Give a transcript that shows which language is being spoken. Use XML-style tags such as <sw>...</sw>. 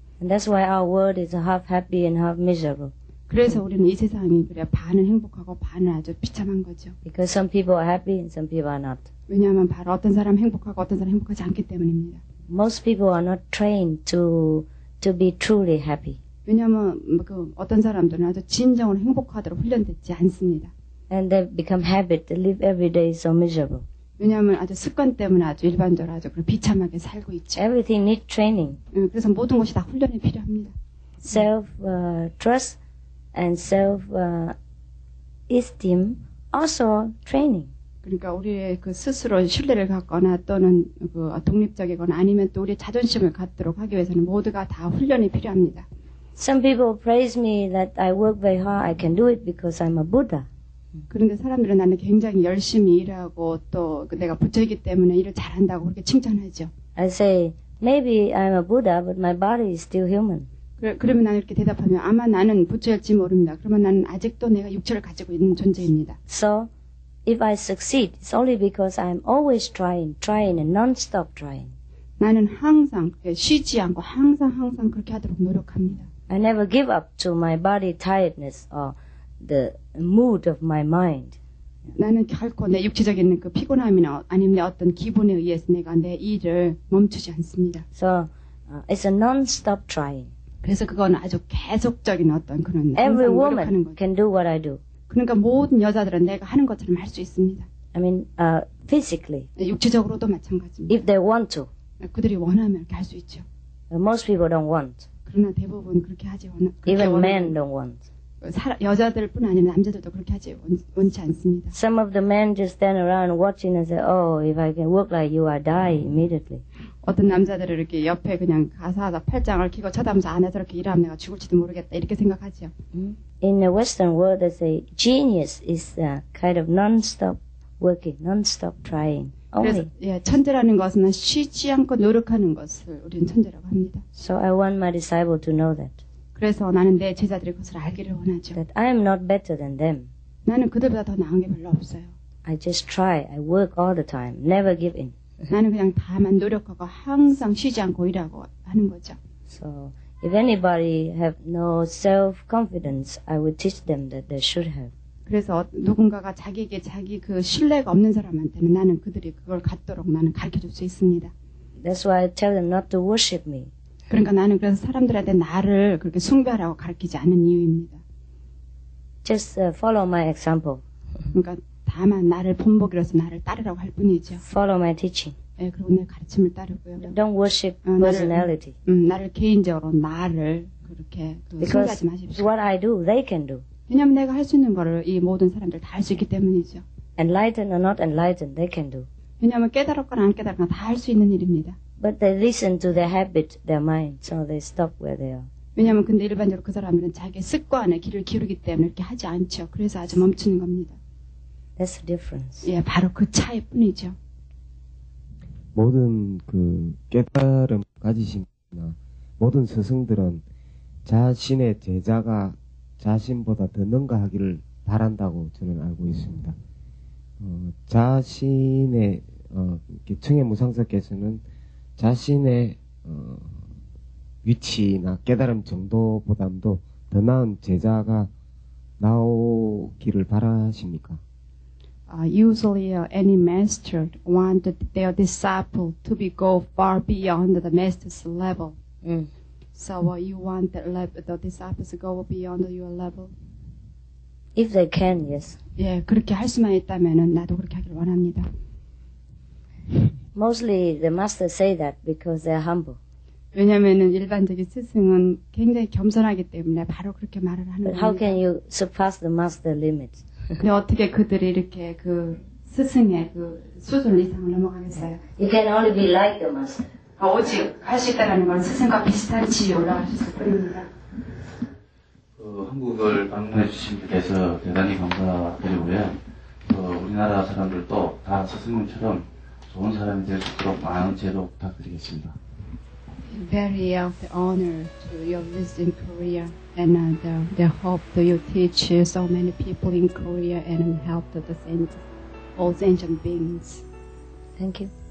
<en>And that's why our world is half happy and half miserable.</en> <ko>그래서 우리는 이 세상이 그래 반은 행복하고 반은 아주 비참한 거죠.</ko> <en>Because some people are happy and some people are not.</en> <ko>왜냐하면 바로 어떤 사람 행복하고 어떤 사람 행복하지 않기 때문입니다.</ko> <en>Most people are not trained to be truly happy.</en> <ko>왜냐하면 그 어떤 사람들은 아주 진정으로 행복하도록 훈련되지 않습니다.</ko> <en>And they become habit to live every day so miserable.</en> <ko>왜냐하면 아주 습관 때문에 아주 일반적으로 아주 그런 비참하게 살고 있죠.</ko> <en>Everything needs training.</en> <ko>그래서 모든 것이 다 훈련이 필요합니다.</ko> <en>Self trust and self esteem also training.</en> <ko>그러니까 우리의 그 스스로 신뢰를 갖거나 또는 그 독립적이거나 아니면 또 우리의 자존심을 갖도록 하기 위해서는 모두가 다 훈련이 필요합니다.</ko> <en>Some people praise me that I work very hard. I can do it because I'm a Buddha.</en> <ko>그런데 사람들은 나는 굉장히 열심히 일하고 또 내가 부처이기 때문에 일을 잘한다고 그렇게 칭찬하죠.</ko> <en>I say maybe I'm a Buddha, but my body is still human.</en> <ko>그러면 나는 이렇게 대답하면 아마 나는 부처일지 모릅니다. 그러면 나는 아직도 내가 육체를 가지고 있는 존재입니다.</ko> <en>So if I succeed, it's only because I'm always trying and non-stop trying.</en> <ko>나는 항상 쉬지 않고 항상 그렇게 하도록 노력합니다.</ko> <en>I never give up to my body tiredness or the mood of my mind.</en> <ko>나는 결코 내 육체적인 그 피곤함이나 아니면 어떤 기분에 의해서 내가 내 일을 멈추지 않습니다.</ko> <en>So it's a non-stop trying.</en> <ko>그래서 그건 아주 계속적인 어떤 그런</ko> <en>Every woman can do what I do.</en> <ko>그러니까 모든 여자들은 내가 하는 것처럼 할 수 있습니다.</ko> <en>I mean, physically.</en> <ko>육체적으로도 마찬가지입니다.</ko> <en>If they want to.</en> <ko>그들이 원하면 할 수 있죠.</ko> <en>Most people don't want.</en> <ko>그러나 대부분 그렇게 하지 않아.</ko> <en>Even men don't want.</en> <ko>여자들뿐 아니라 남자들도 그렇게 하지 원치 않습니다.</ko> <en>Some of the men just stand around watching and say, "Oh, if I can work like you, I die immediately."</en> <ko>어떤 남자들을 이렇게 옆에 그냥 가서 팔짱을 끼고 쳐다보면서 안에서 이렇게 일하면 내가 죽을지도 모르겠다 이렇게 생각하지요.</ko> <en>In the Western world, they say genius is a kind of non-stop working, non-stop trying.</en> <ko>그래서 예, 천재라는 것은 쉬지 않고 노력하는 것을 우리는 천재라고 합니다.</ko> <en>So I want my disciple to know that.</en> <ko>그래서 나는 내 제자들의 것을 알기를 원하죠.</ko> <en>That I am not better than them.</en> <ko>나는 그들보다 더 나은 게 별로 없어요.</ko> <en>I just try. I work all the time. Never give in.</en> <ko>나는 그냥 다만 노력하고 항상 쉬지 않고 일하고 하는 거죠.</ko> <en>So if anybody have no self-confidence, I would teach them that they should have.</en> <ko>그래서 누군가가 자기에게 자기 그 신뢰가 없는 사람한테는 나는 그들이 그걸 갖도록 나는 가르쳐줄 수 있습니다.</ko> <en>That's why I tell them not to worship me.</en> <ko>그러니까 나는 그래서 사람들한테 나를 그렇게 숭배하라고 가르치지 않은 이유입니다.</ko> <en>Just follow my example.</en> <ko>그러니까 다만 나를 본보기로서 나를 따르라고 할 뿐이죠.</ko> <en>Follow my teaching.</en> <ko>네, 그리고 내 가르침을 따르고요.</ko> <en>Don't worship personality.</en> <ko>나를 개인적으로 나를 그렇게 숭배하지 마십시오.</ko> <en>What I do, they can do.</en> <ko>왜냐하면 내가 할 수 있는 거를 이 모든 사람들 다 할 수 있기 때문이죠.</ko> <en>Enlightened or not enlightened, they can do.</en> <ko>왜냐하면 깨달았거나 안 깨달았거나 다 할 수 있는 일입니다.</ko> <en>But they listen to their habit, their mind, so they stop where they are.</en> <ko>왜냐하면 근데 일반적으로 그 사람들은 자기 습관의 길을 기르기 때문에 이렇게 하지 않죠. 그래서 아주 멈추는 겁니다.</ko> <en>That's the difference.</en> <ko>예, 바로 그 차이뿐이죠. 모든 그 깨달음 가지신나 모든 스승들은 자신의 제자가 자신보다 더 능가하기를 바란다고 저는 알고 있습니다. 자신의 청해 무상사께서는 자신의 위치나 깨달음 정도보다도 더 나은 제자가 나오기를 바라십니까?</ko> <en>Usually, any master want their disciple to be go far beyond the master's level. So you want the disciples to go beyond your level? If they can, yes.</en> <ko>예, 그렇게 할 수만 있다면은 나도 그렇게 하기를 원합니다.</ko> <en>Mostly the masters say that because they're humble.</en> <ko>왜냐면은 일반적인 스승은 굉장히 겸손하기 때문에 바로 그렇게 말을 하는 겁니다.</ko> <en>How can you surpass the master limit?</en> <ko>근데 어떻게 그들이 이렇게 그 스승의 그 수준 이상을 넘어가겠어요?</ko> <en>You can only be like the master.</en> <ko>오직 할 수 있다라는 건 스승과 비슷한 지위에 올라가실 뿐입니다. 한국을 방문해 주신 분께서 대단히 감사드리고요. 우리나라 사람들도 다 스승님처럼 좋은 사람이 될 수 있도록 많은 제도 부탁드리겠습니다.</ko> <en>Very of the honor to your visit in Korea and the hope that you teach so many people in Korea and help the saints, all sentient beings. Thank you.</en>